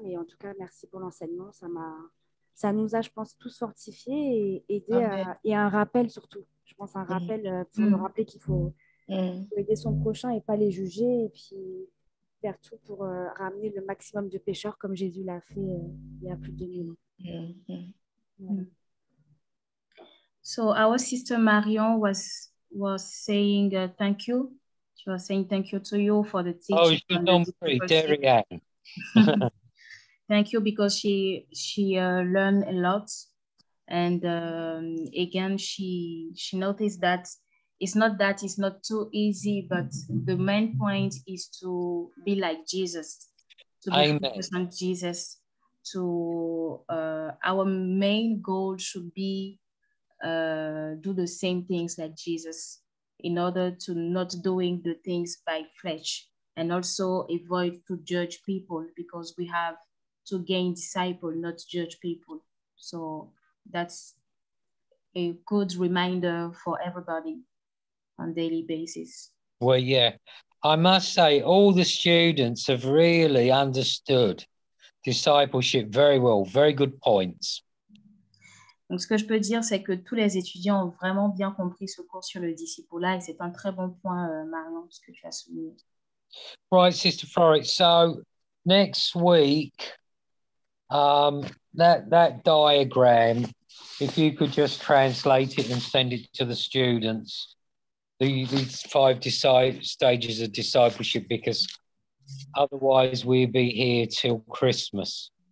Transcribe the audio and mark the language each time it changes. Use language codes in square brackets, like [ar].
[fr] Mais en tout cas, merci pour l'enseignement. Ça nous a, je pense, tous fortifiés et aidés. Et un rappel surtout. Je pense un rappel pour nous rappeler qu'il faut aider son prochain et pas les juger. Et puis faire tout pour ramener le maximum de pécheurs comme Jésus l'a fait il y a plus de 2000 ans. [en] So our sister Marion was saying thank you. She was saying thank you to you for the teaching. Oh, she's number three, Darianne. Thank you, because she learned a lot. And again, she noticed that it's not too easy, but the main point is to be like Jesus, to be focused on Jesus. To our main goal should be do the same things like Jesus, in order to not doing the things by flesh, and also avoid to judge people, because we have to gain disciples, not judge people. So that's a good reminder for everybody on a daily basis. Well, yeah, I must say all the students have really understood discipleship very well. Very good points. [fr] Donc, ce que je peux dire, c'est que tous les étudiants ont vraiment bien compris ce cours sur le discipulat, et c'est un très bon point, Marion, ce que tu as souligné. [en] Right, Sister Florrie. So next week, that diagram, if you could just translate it and send it to the students, these five stages of discipleship, because otherwise we'd be here till Christmas.